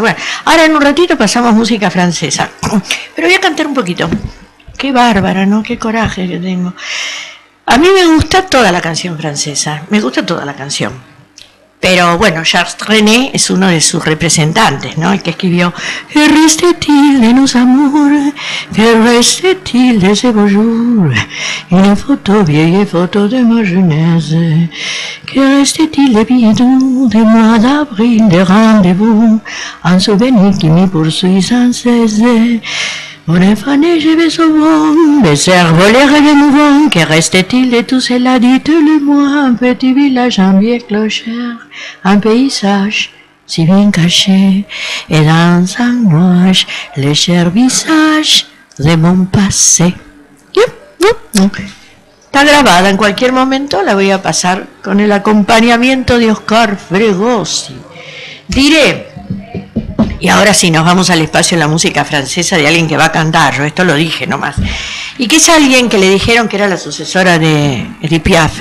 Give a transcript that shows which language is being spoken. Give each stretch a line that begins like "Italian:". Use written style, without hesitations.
Spanish: Bueno, ahora en un ratito pasamos música francesa, pero voy a cantar un poquito. Qué bárbara, ¿no? Qué coraje que tengo. A mí me gusta toda la canción francesa, me gusta toda la canción. Pero bueno, Charles René es uno de sus representantes, ¿no? El que escribió
French: Que reste-t-il de nos amours, que reste-t-il de ces beaux jours, une photo vieille photo de ma jeunesse, que reste-t-il de billets doux, de mois d'avril, de rendez-vous, un souvenir qui me poursuit sans cesse. Mon infâme, je vais au vent, mes cerfs volèrent et mouvant. Que restait-il de tout cela, dites-le-moi. Un petit village, un vieux clocher, un paysage si bien caché, et dans un nuage, les chers visages de mon passé.
Spanish: Está grabada, en cualquier momento la voy a pasar con el acompañamiento de Oscar Fregosi. Diré. Y ahora sí, nos vamos al espacio de la música francesa de alguien que va a cantar, yo esto lo dije nomás. Y que es alguien que le dijeron que era la sucesora de Edith Piaf.